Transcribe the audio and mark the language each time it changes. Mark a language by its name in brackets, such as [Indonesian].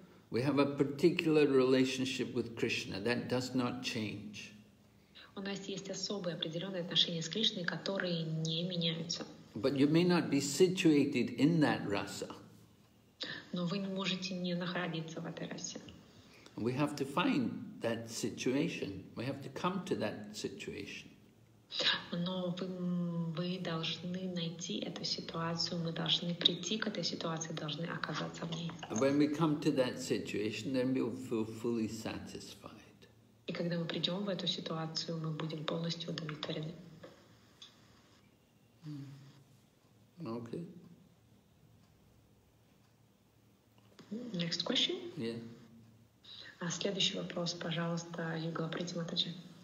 [English] We have a particular relationship with Krishna that does not change. [Russian] У нас есть особые определенные отношения с Кришной, которые не меняются. [English] But you may not be situated in that rasa. [Russian] Но вы не можете не находиться в этой расе. [English] We have to find that situation. We have to come to that situation. [Russian] Но вы должны найти эту ситуацию. Мы должны прийти к этой ситуации. Должны оказаться в ней. [English] When we come to that situation, then we will feel fully satisfied. [Russian] И когда мы придем в эту ситуацию, мы будем полностью удовлетворены. [English] Okay. Next question? Yeah. [Russian] Следующий вопрос, пожалуйста, Юга Прити Матаджи.